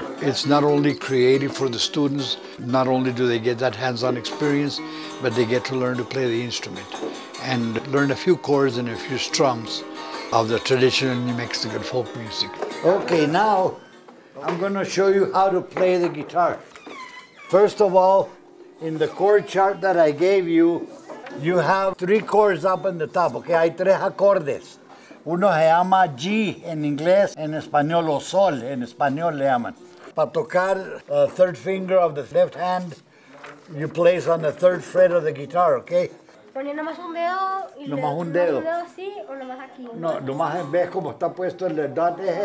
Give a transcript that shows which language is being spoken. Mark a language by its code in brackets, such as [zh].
[en] It's not only creative for the students, not only do they get that hands-on experience, but they get to learn to play the instrument and learn a few chords and a few strums of the traditional New Mexican folk music. Okay, now I'm gonna show you how to play the guitar. First of all, in the chord chart that I gave you, you have three chords up in the top, okay? [es] Hay tres acordes. Uno se llama G en inglés, en español o sol, en español le llaman. Para tocar [en] a third finger of the left hand, you place on the third fret of the guitar, okay? [es] Poniendo más un dedo y nomás un dedo. Nomás un dedo, sí, o nomás aquí. No, nomás ves como está puesto el dot.